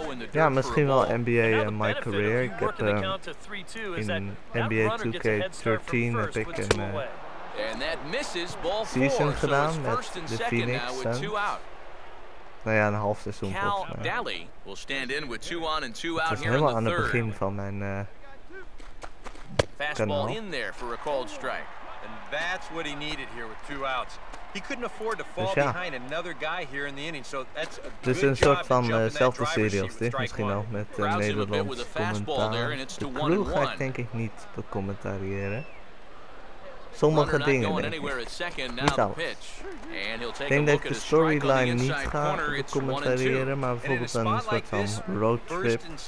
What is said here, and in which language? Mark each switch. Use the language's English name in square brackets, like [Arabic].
[Dutch] Ja, misschien wel NBA My Career. Ik heb in NBA 2K13 heb ik een season gedaan met de Phoenix Suns. Nou ja, een half seizoen volgens mij. Het was helemaal aan het begin van mijn [English] fastball in there for a called strike. And that's what he needed here with two outs. He couldn't afford to fall behind another guy here in the inning, so that's a good [Dutch] dus een soort van dezelfde serie als dit, misschien ook met Nederlands commentaar. De crew ga ik denk ik niet becommentariëren. Sommige dingen, denk ik. Niet alles. Ik denk dat ik de storyline niet ga commentariëren, maar bijvoorbeeld een soort van roadtrip.